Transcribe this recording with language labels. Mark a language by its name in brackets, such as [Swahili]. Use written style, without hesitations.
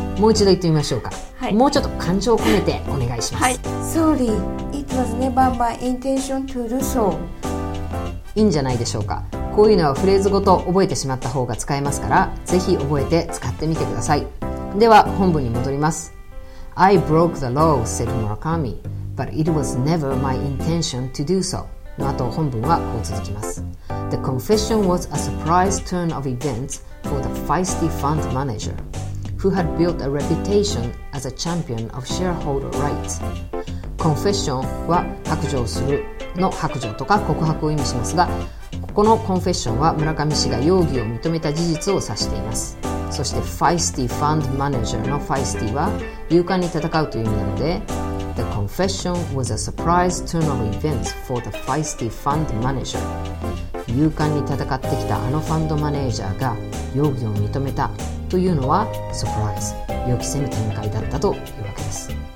[Japanese] もう一度言ってみましょうか、はい、もうちょっと感情を込めてお願いします。 [English] Sorry, it was never my intention to do so。 [Japanese] いいんじゃないでしょうか。こういうのはフレーズごと覚えてしまった方が使えますから、ぜひ覚えて使ってみてください。では本文に戻ります。 [English] I broke the law, said Murakami, but it was never my intention to do so [Japanese] の後、本文はこう続きます。 [English] The confession was a surprise turn of events for the feisty fund manager who had built a reputation as a champion of shareholder rights。 [Japanese] Confession は白状するの白状とか告白を意味しますが、このコンフェッションは村上氏が容疑を認めた事実を指しています。そしてファイスティファンドマネージャーのファイスティは勇敢に戦うという意味なので、 [English] The confession was a surprise turn of events for the feisty fund manager、 [Japanese] 勇敢に戦ってきたあのファンドマネージャーが容疑を認めたというのは surprise、 予期せぬ展開だったというわけです。